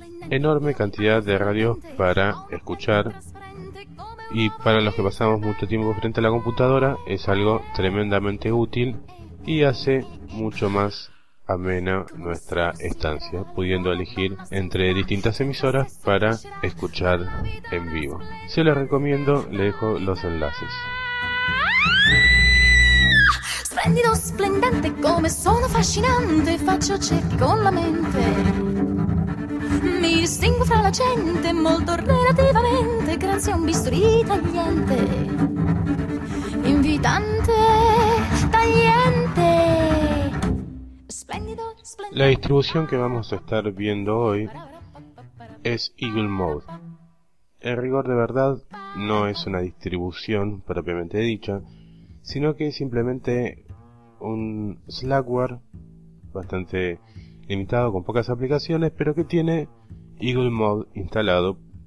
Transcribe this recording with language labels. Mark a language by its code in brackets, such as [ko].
[es] Enorme cantidad de radios para escuchar y para los que pasamos mucho tiempo frente a la computadora es algo tremendamente útil y hace mucho más amena nuestra estancia, pudiendo elegir entre distintas emisoras para escuchar en vivo. Se las recomiendo, le dejo los enlaces. [it] Splendido, splendente, come sono fascinante, faccio cerchi con la mente. distingo fra la gente molto relativamente, grazie a un bisturi tagliente, invitante, tagliente. Splendido, splendido. [es] La distribución [it] che [es] vamos a estar viendo hoy es Eagle Mode. En rigor de verdad, no es una distribución propiamente dicha, sino que es simplemente un slackware bastante limitado, con pocas aplicaciones, pero que tiene Eagle Mode instalado.